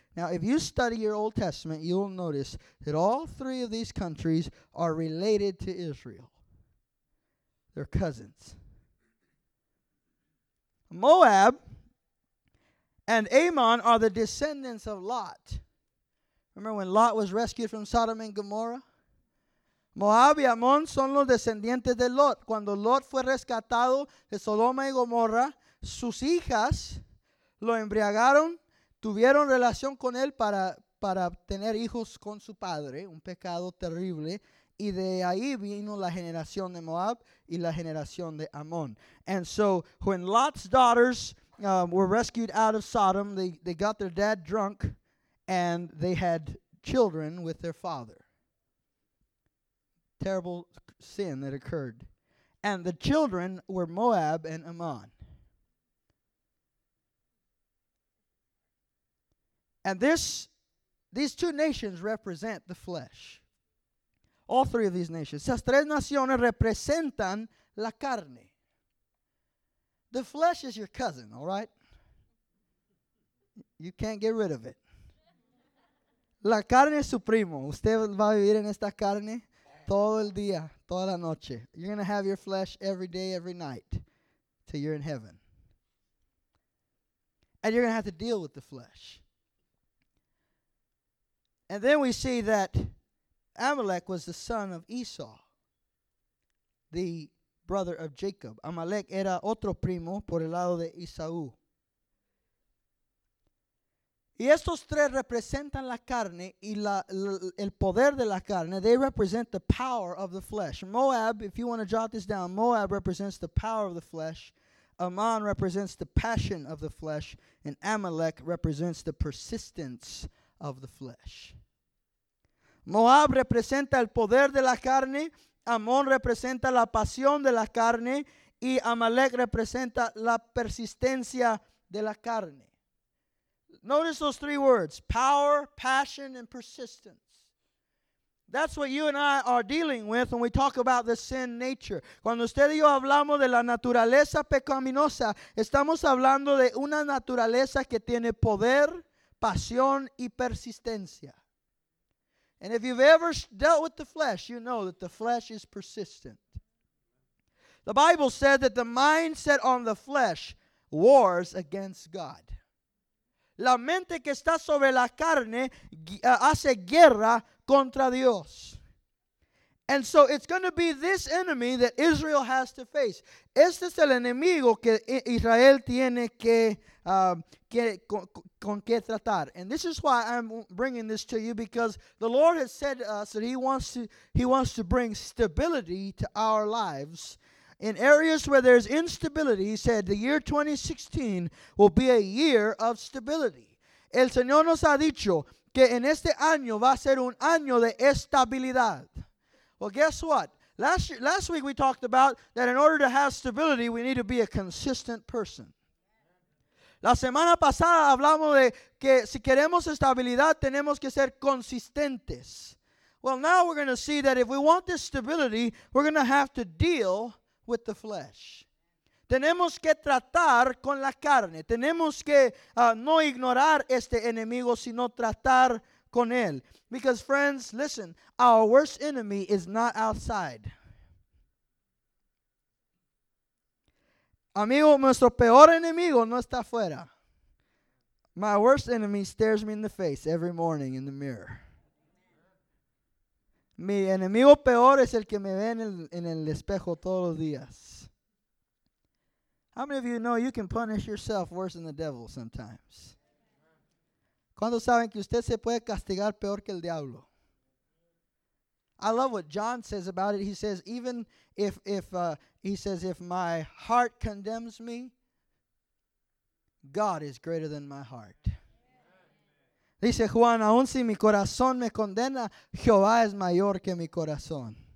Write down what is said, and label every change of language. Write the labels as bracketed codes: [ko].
[en] Now, if you study your Old Testament, you'll notice that all three of these countries are related to Israel. They're cousins. Moab and Ammon are the descendants of Lot. Remember when Lot was rescued from Sodom and Gomorrah? [es] Moab y Ammon son los descendientes de Lot. Cuando Lot fue rescatado de Sodoma y Gomorra, sus hijas lo embriagaron. Tuvieron relación con él para tener hijos con su padre, un pecado terrible. Y de ahí vino la generación de Moab y la generación de Ammon. [en] And so when Lot's daughters were rescued out of Sodom, they got their dad drunk and they had children with their father. Terrible sin that occurred. And the children were Moab and Ammon. And these two nations represent the flesh. All three of these nations. [es] Esas tres naciones representan la carne. [en] The flesh is your cousin, all right? You can't get rid of it. [es] La carne es su primo. Usted va a vivir en esta carne todo el día, toda la noche. [en] You're going to have your flesh every day, every night, till you're in heaven. And you're going to have to deal with the flesh. And then we see that Amalek was the son of Esau, the brother of Jacob. [es] Amalek era otro primo por el lado de Esau. Y estos tres representan la carne y el poder de la carne. [en] They represent the power of the flesh. Moab, if you want to jot this down, Moab represents the power of the flesh. Ammon represents the passion of the flesh. And Amalek represents the persistence of the flesh. [es] Moab representa el poder de la carne. Ammon representa la pasión de la carne. Y Amalek representa la persistencia de la carne. [en] Notice those three words: power, passion, and persistence. That's what you and I are dealing with when we talk about the sin nature. [es] Cuando usted y yo hablamos de la naturaleza pecaminosa, estamos hablando de una naturaleza que tiene poder, pasión, y persistencia. [en] And if you've ever dealt with the flesh, you know that the flesh is persistent. The Bible said that the mindset on the flesh wars against God. [es] La mente que está sobre la carne hace guerra contra Dios. [en] And so it's going to be this enemy that Israel has to face. [es] Este es el enemigo que Israel tiene que tratar. [en] And this is why I'm bringing this to you, because the Lord has said to us that he wants to bring stability to our lives. In areas where there's instability, he said, the year 2016 will be a year of stability. [es] El Señor nos ha dicho que en este año va a ser un año de estabilidad. [en] Well, guess what? Last week we talked about that in order to have stability, we need to be a consistent person. [es] La semana pasada hablamos de que si queremos estabilidad, tenemos que ser consistentes. [en] Well, now we're going to see that if we want this stability, we're going to have to deal with the flesh. [es] Tenemos que tratar con la carne. Tenemos que no ignorar este enemigo, sino tratar con él. [en] Because friends, listen, our worst enemy is not outside. [es] Amigo, nuestro peor enemigo no está afuera. [en] My worst enemy stares me in the face every morning in the mirror. [es] Mi enemigo peor es el que me ve en el espejo todos los días. [en] How many of you know you can punish yourself worse than the devil sometimes? [es] ¿Cuántos saben que usted se puede castigar peor que el diablo? [en] I love what John says about it. He says, even if my heart condemns me, God is greater than my heart. [es] Dice Juan, aun si mi corazón me condena, Jehová es mayor que mi corazón.